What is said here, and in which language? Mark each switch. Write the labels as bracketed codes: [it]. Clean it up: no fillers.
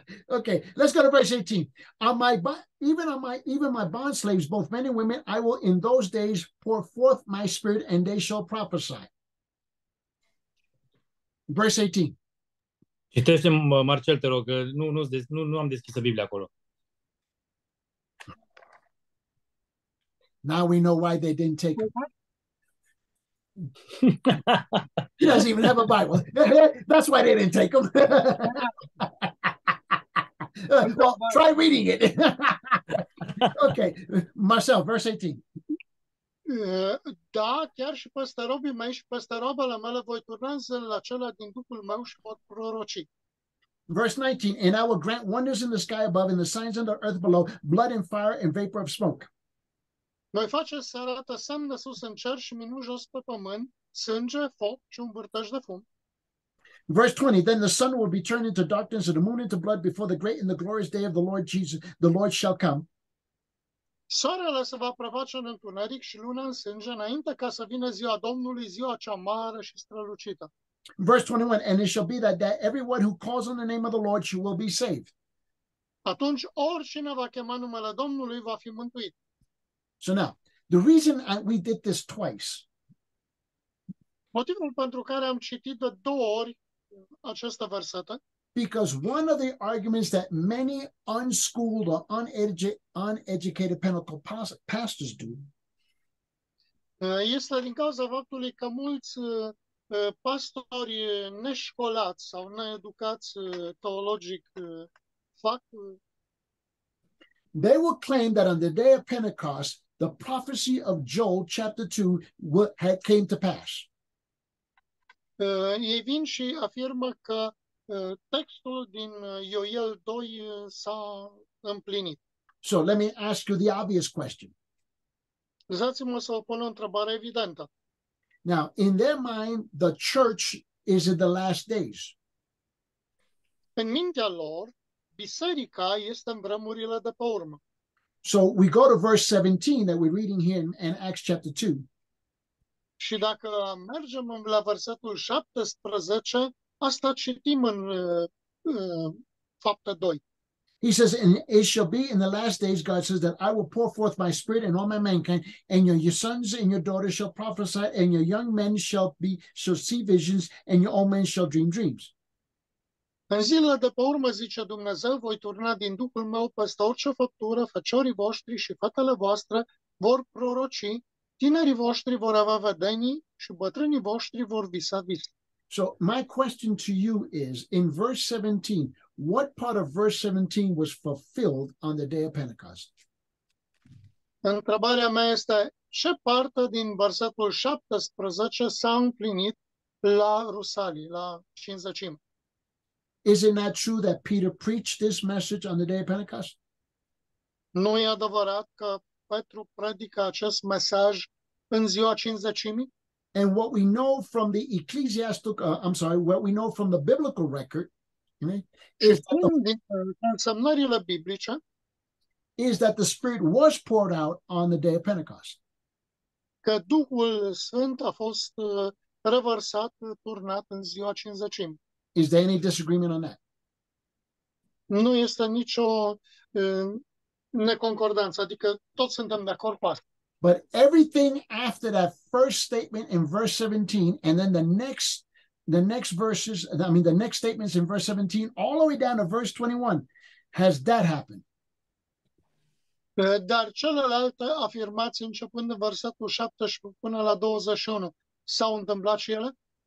[en] Okay, let's go to verse 18. Even my bond slaves, both men and women, I will in those days pour forth my spirit and they shall prophesy. Verse 18. [ro] Citește, Marcel, te rog, că nu am deschisă Biblia acolo. [en] Now we know why they didn't take him. He doesn't even have a Bible. That's why they didn't take him. Well, try reading it. Okay, Marcel, verse 18. [ro] Da, chiar și peste robii mei și peste robele mele voi turna zilele acelea din Duhul meu și pot proroci. [en] Verse 19, and I will grant wonders in the sky above and the signs on the earth below, blood and fire and vapor of smoke. [ro] Voi face să arată semne sus în cer și minuni jos pe pământ, sânge, foc și un vârtej de fum. [en] Verse 20, then the sun will be turned into darkness and the moon into blood before the great and the glorious day of the Lord Jesus, the Lord shall come. [ro] Soarele se va preface în întuneric și luna în sânge înainte ca să vină ziua Domnului, ziua cea mare și strălucită. [en] Verse 21, and it shall be that everyone who calls on the name of the Lord she will be saved. [ro] Atunci oricine va chema numele Domnului va fi mântuit. [en] So now, the reason we did this twice. [ro] Motivul pentru care am citit de două ori aceste versete. [en] Because one of the arguments that many unschooled or uneducated Pentecostal pastors do [ro] Este din cauza faptului că mulți pastori neșcolați sau needucați teologic fac. [en] They will claim that on the day of Pentecost, the prophecy of Joel chapter 2 had came to pass. [ro] Ei vin și afirmă că textul din Ioel 2 s-a împlinit. [en] So let me ask you the obvious question. [ro] Lăsați-mă să vă pun o întrebare evidentă. [en] Now, in their mind, the church is in the last days. [ro] În mintea lor, biserica este în vremurile de pe urmă. [en] So we go to verse 17 that we're reading here in Acts chapter 2. [ro] Și dacă mergem la versetul 17, asta citim în fapte 2. [en] He says, and it shall be in the last days, God says, that I will pour forth my spirit in all my mankind, and your sons and your daughters shall prophesy, and your young men shall see visions, and your old men shall dream dreams. [ro] În zilele de pe urmă, zice Dumnezeu, voi turna din Duhul meu peste orice făptură, feciorii voștri și fetele voastre vor proroci, tinerii voștri vor avea vedenii și bătrânii voștri vor visa vise. [en] So my question to you is, in verse 17, what part of verse 17 was fulfilled on the day of Pentecost? [ro] Întrebarea mea este, ce parte din versetul 17 s-a împlinit la Rusalii, la cincizecime? [en] Is it not true that Peter preached this message on the day of Pentecost? [ro] Nu e adevărat că Petru predică acest mesaj în ziua cincizecimii? [en] And what we know from the ecclesiastic, I'm sorry, what we know from the biblical record, [ro] Și spun din însemnările biblice [en] is that the Spirit was poured out on the day of Pentecost. [ro] că Duhul Sfânt a fost revărsat, turnat în ziua cincizecimii. [en] Is there any disagreement on that? [ro] Nu este nicio neconcordanță, adică toți suntem de acord cu asta. [en] But everything after that first statement in verse 17, and then the next statements in verse 17, all the way down to verse 21, has that happened? [ro] Dar celelalte afirmații, începând de versetul 17 până la 21, s-au întâmplat și ele?